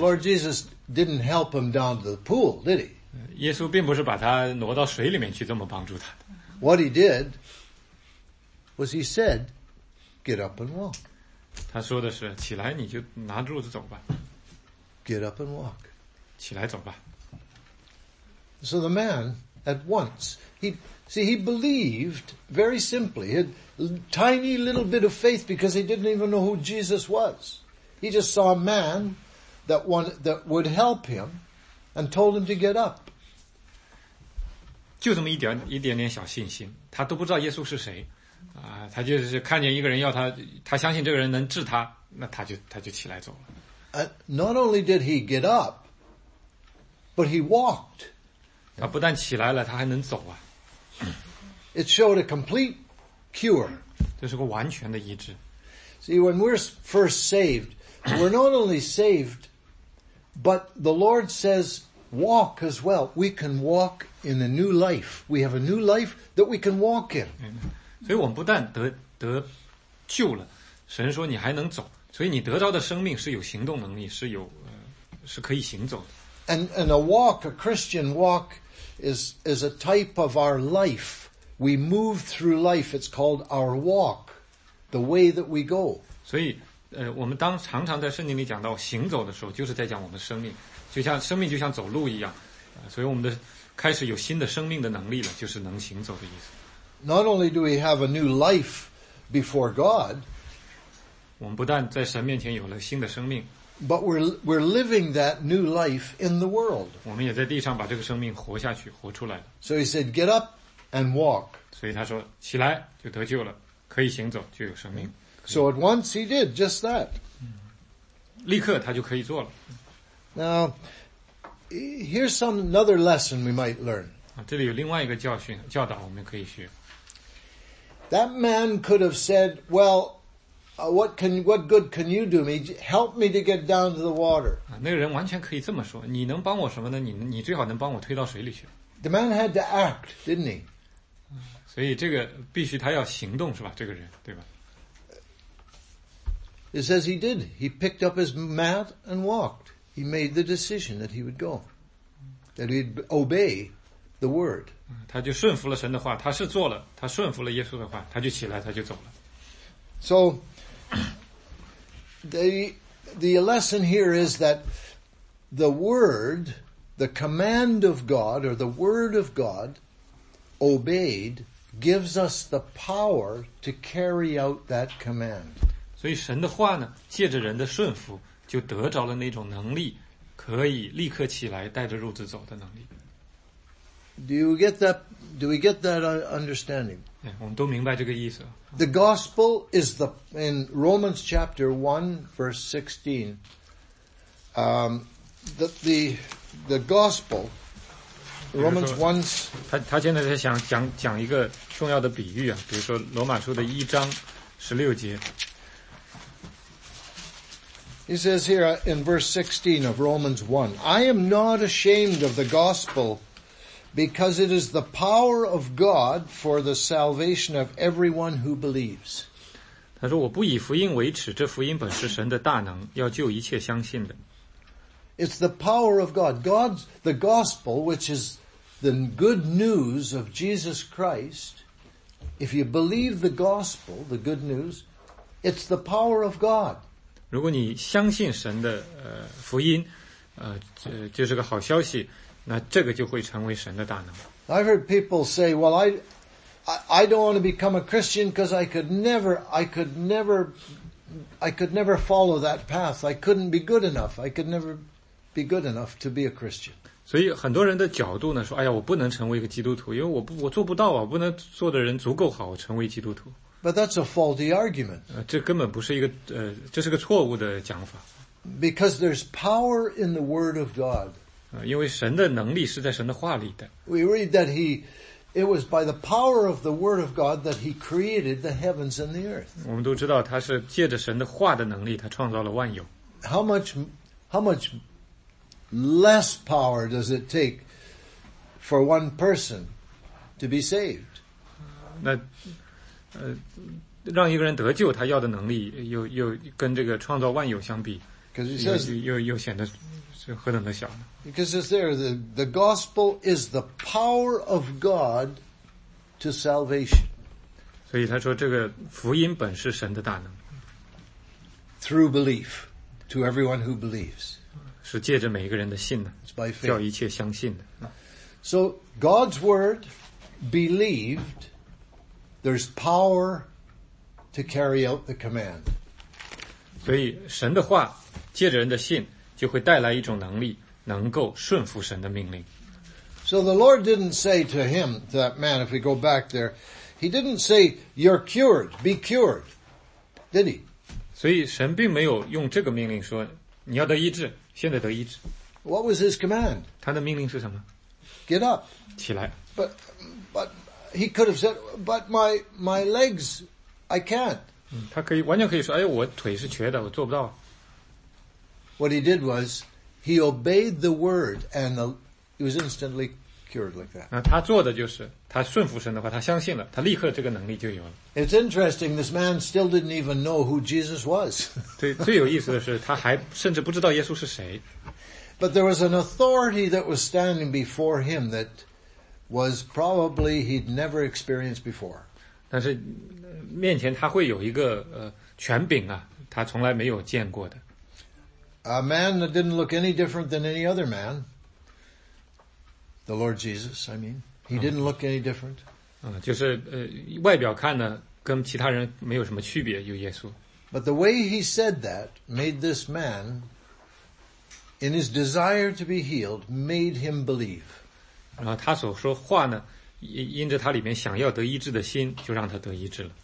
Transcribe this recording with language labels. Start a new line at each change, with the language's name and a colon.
English: The Lord Jesus didn't help him down to the pool, did he?
Chinese: 耶稣并不是把他挪到水里面去这么帮助他的。
English: What he did was he said, "Get up and walk."
Chinese: 他说的是，起来你就拿褥子走吧。
English: Get up and walk.
Chinese: 起来走吧。
English: So the man, at once, he believed very simply. He had tiny little bit of faith because he didn't even know who Jesus was. He just saw a man that would help him and told him to get up.
Chinese: 就这么一点点小信心，他都不知道耶稣是谁，啊，他就是看见一个人要他，他相信这个人能治他，那他就起来走了。
English: Not only did he get up, but he walked.
Chinese: 他不但起来了，他还能走啊。
English: It showed a complete cure.
Chinese: 这是个完全的医治。
English: See, when we're first saved, we're not only saved, but the Lord says, walk as well. We can walk in a new life. We have a new life that we can walk in.
Chinese: 所以我们不但得救了，神说你还能走，所以你得到的生命是有行动能力，是有是可以行走的。
English: And a walk, a Christian walk, is a type of our life. We move through life. It's called our walk, the way that we go.
Chinese: 所以我们当常常在圣经里讲到行走的时候，就是在讲我们生命，就像生命就像走路一样，所以我们的开始有新的生命的能力了，就是能行走的意思。
English: Not only do we have a new life before God,
Chinese: 我们不但在神面前有了新的生命，
English: but we're living that new life in the world.
Chinese: 我们也在地上把这个生命活下去，活出来了。
English: So he said, get up and walk.
Chinese: 所以他说，起来就得救了，可以行走，就有生命。
English: So at once he did just that.
Chinese: 立刻他就可以做了。
English: Now, here's another lesson we might learn.
Chinese: 这里有另外一个教训，教导我们可以学。
English: That man could have said, well, what good can you do me? Help me to get down to the water.
Chinese: 那个人完全可以这么说，你能帮我什么呢？你最好能帮我推到水里去。
English: The man had to act, didn't he?
Chinese: 所以这个必须他要行动是吧，这个人，对吧？
English: It says he did. He picked up his mat and walked. He made the decision that he would go. That he'd obey the word.
Chinese: 他就顺服了神的话，他是做了，他顺服了耶稣的话，他就起来，他就走了。
English: So, the lesson here is that the word, the command of God, or the word of God, obeyed, gives us the power to carry out that command.
Chinese: 所以神的话呢，借着人的顺服，就得着了那种能力，可以立刻起来，带着褥子走的能力。
English: Do we get that understanding?
Chinese: Yeah, 我们都明白这个意思。
English: The gospel is the, in Romans chapter 1 verse 16, the gospel, Romans 1,
Chinese: 他现在在讲一个重要的比喻啊，比如说罗马书的一章十六节。
English: He says here in verse 16 of Romans 1, I am not ashamed of the gospel, because it is the power of God for the salvation of everyone who believes.
Chinese: 他说我不以福音为耻，这福音本是神的大能，要救一切相信的。
English: It's the power of God. God's, the gospel, which is the good news of Jesus Christ, if you believe the gospel, the good news, it's the power of God.
Chinese: 如果你相信神的福音，就是个好消息，那这个就会成为神的大能。
English: I've heard people say, well, I don't want to become a Christian because I could never follow that path. I couldn't be good enough to be a Christian.
Chinese: 所以很多人的角度呢，说，哎呀，我不能成为一个基督徒，因为我做不到啊，我不能做的人足够好，我成为基督徒。
English: But that's a faulty argument.
Chinese: 这根本不是一个这是个错误的讲法。
English: Because there's power in the Word of God.
Chinese: 因为神的能力是在神的话里的。
English: We read that it was by the power of the Word of God that He created the heavens and the earth.
Chinese: 我们都知道，他是借着神的话的能力，他创造了万有。
English: How much less power does it take for one person to be saved?
Chinese: 那让一个人得救，他要的能力又跟这个创造万有相比，
English: says,
Chinese: 又显得是何等的小呢？
English: Because it's there, the gospel is the power of God to salvation.
Chinese: 所以他说这个福音本是神的大能。
English: Through belief to everyone who believes.
Chinese: 是借着每一个人的信的，
English: it's by faith.
Chinese: 叫一切相信的。
English: So God's word believed, there's power to carry out the command.
Chinese: 所以神的话借着人的信就会带来一种能力，能够顺服神的命令。
English: So the Lord didn't say to him, to that man, if we go back there, He didn't say, you're cured, be cured, did he?
Chinese: 所以神并没有用这个命令说你要得医治，现在得医治。
English: What was his command?
Chinese: 他的命令是什么？
English: Get up.
Chinese: 起来。
English: But he could have said, but my legs, I can't.
Chinese: 他可以完全可以说，哎，我腿是瘸的，我做不到。
English: What he did was, he obeyed the word and he was instantly cured like that.
Chinese: 那他做的就是，他顺服神的话，他相信了，他立刻这个能力就有了。
English: It's interesting, this man still didn't even know who Jesus was.
Chinese: 对，最有意思的是，他还甚至不知道耶稣是谁。
English: But there was an authority that was standing before him that was probably he'd never experienced before.
Chinese: 但是面前他会有一个权柄啊，他从来没有见过的。
English: A man that didn't look any different than any other man. The Lord Jesus, I mean. He didn't look any different.
Chinese: 就是外表看呢跟其他人没有什么区别，有耶稣。
English: But the way he said that made this man, in his desire to be healed, made him believe.
Chinese: 然后他所说话呢，因着他里面想要得医治的心，就让他得医治了。